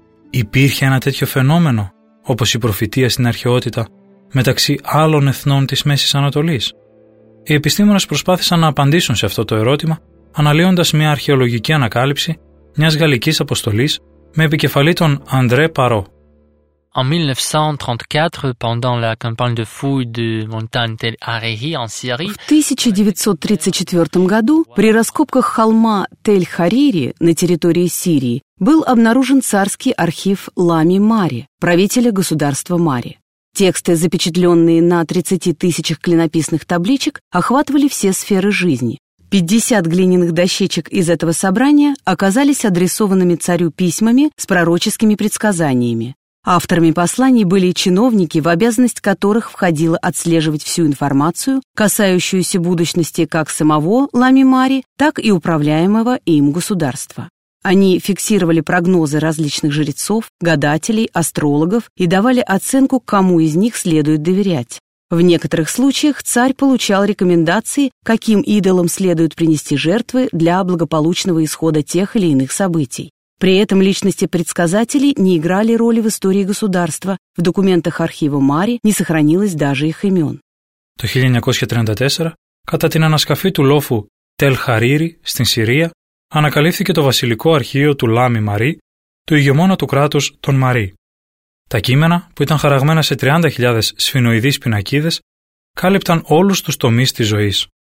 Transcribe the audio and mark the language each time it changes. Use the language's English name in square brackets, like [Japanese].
[Greek] Υπήρχε ένα τέτοιο φαινόμενο, όπως η προφητεία στην αρχαιότητα, μεταξύ άλλων εθνών της Μέσης Ανατολής? Οι επιστήμονες προσπάθησαν να απαντήσουν σε αυτό το ερώτημα, αναλύοντας μια αρχαιολογική ανακάλυψη μιας γαλλικής αποστολής με επικεφαλή τον Αντρέ Παρό. [French] En 1934, pendant la campagne de fouilles de montagne Tel Hariri en Syrie, [Russian] в 1934 году при раскопках холма Тель-Харири на территории Сирии был обнаружен царский архив Лами Мари, правителя государства Мари. Тексты, запечатленные на 30 тысячах клинописных табличек, охватывали все сферы жизни. 50 глиняных дощечек из этого собрания оказались адресованными царю письмами с пророческими предсказаниями. Авторами посланий были чиновники, в обязанность которых входило отслеживать всю информацию, касающуюся будущности как самого Лами-Мари, так и управляемого им государства. Они фиксировали прогнозы различных жрецов, гадателей, астрологов и давали оценку, кому из них следует доверять. В некоторых случаях царь получал рекомендации, каким идолам следует принести жертвы для благополучного исхода тех или иных событий. При этом личности предсказателей не играли роли в истории государства. В документах архива Мари не сохранилось даже их имен. [Greek] Το 1934, κατά την ανασκαφή του λόφου Τελ-Χαρίρι στην Συρία, ανακαλύφθηκε το βασιλικό αρχείο του Λάμι Μαρί, του ηγεμόνα του κράτους των Μαρί. Τα κείμενα, που ήταν χαραγμένα σε 30.000 σφινοειδείς πινακίδες, κάλυπταν όλους τους τομείς της ζωής.